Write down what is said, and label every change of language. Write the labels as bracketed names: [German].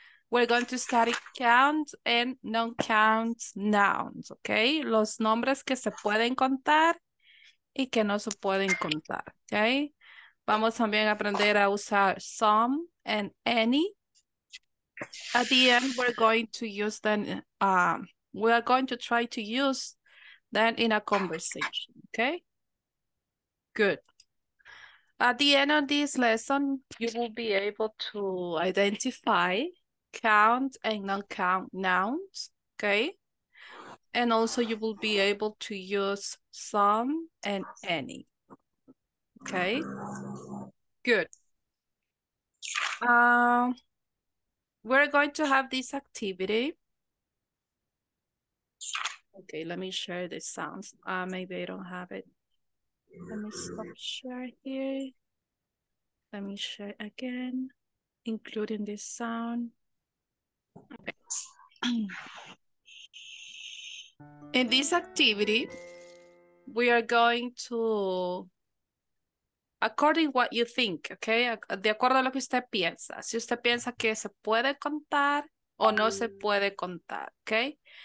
[English] We're going to study count and non-count nouns, okay? [Spanish] Los nombres que se pueden contar y que no se pueden contar, ¿okay? Vamos también a aprender a usar some and any. [English] At the end, we're going to use them, we are going to try to use them in a conversation, okay? Good. At the end of this lesson, you will be able to identify count and non-count nouns, okay? And also, you will be able to use some and any. Okay, good. We're going to have this activity. Okay, let me share the sounds. Maybe I don't have it. Let me stop share here. Let me share again, including this sound. Okay. In this activity, we are going to, according what you think, okay? [Spanish] De acuerdo a lo que usted piensa. Si usted piensa que se puede contar o no se puede contar, okay?